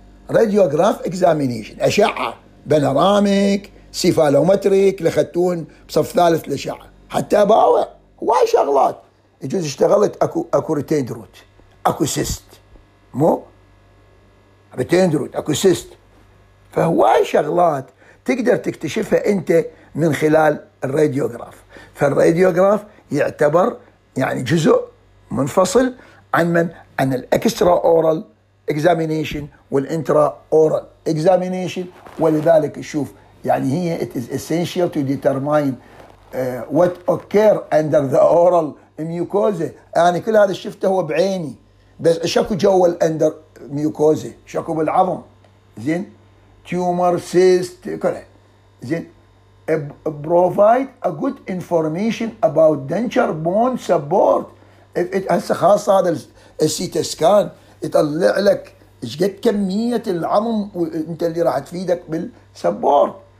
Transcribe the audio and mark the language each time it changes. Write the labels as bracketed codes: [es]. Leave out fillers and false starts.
[ar] راديوغراف إكزامينيشن أشعة بانوراميك سيفالومتريك اللي خدتوهن بصف ثالث الأشعة، حتى باوع واي شغلات يجوز اشتغلت أكو ريتيند روت، أكو سيست، مو ريتيند روت أكو سيست، فهواي شغلات تقدر تكتشفها انت من خلال الراديوغراف. فالراديوغراف يعتبر يعني جزء منفصل عن الاكسترا اورال اكزامينيشن والانترا اورال اكزامينيشن. ولذلك شوف يعني هي [en] it is essential to determine what occur under the oral mucosa. [ar] يعني كل هذا شفته هو بعيني، بس شكو جوه الاندر ميوكوزا، شكو بالعظم زين، تيومر سيست كله زين. [en] provide a good information about denture bone support. if it has [ar] خاصة هذا الCT scan يطلع لك إيش قد كمية العظم وأنت اللي راح تفيدك بالسبورت.